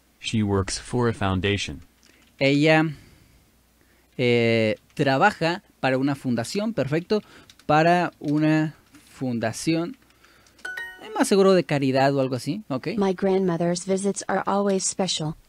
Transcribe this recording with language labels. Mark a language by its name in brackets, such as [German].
[English] She works for a foundation. [Spanish] Ella trabaja para una fundación, perfecto, para una fundación. Es más seguro de caridad o algo así, ¿ok? [English] My grandmother's visits are always special.